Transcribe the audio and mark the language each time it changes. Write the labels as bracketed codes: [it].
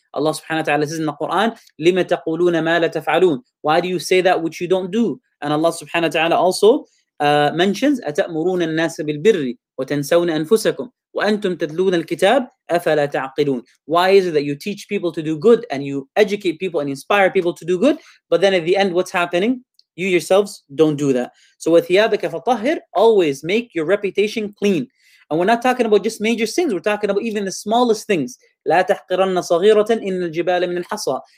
[en] Allah subhanahu wa ta'ala says in the Quran, [ar] لِمَ تَقُولُونَ مَا لَتَفْعَلُونَ. [en] Why do you say that which you don't do? And Allah subhanahu wa ta'ala also mentions, [ar] أَتَأْمُرُونَ النَّاسَ بِالْبِرِّ وَتَنْسَوْنَ أَنفُسَكُمْ وَأَنْتُمْ تَدْلُونَ الْكِتَابِ أَفَلَا تَعْقِلُونَ. [en] Why is it that you teach people to do good and you educate people and inspire people to do good, but then at the end, what's happening? You yourselves don't do that. So [ar] وَثِيَابَكَ فَطَهِّرْ, [en] always make your reputation clean. And we're not talking about just major sins. We're talking about even the smallest things. [ar] لَا تَحْقِرَنَّ صَغِيرَةً إِنَّ الْجِبَالَ مِنَ الْحَصَى.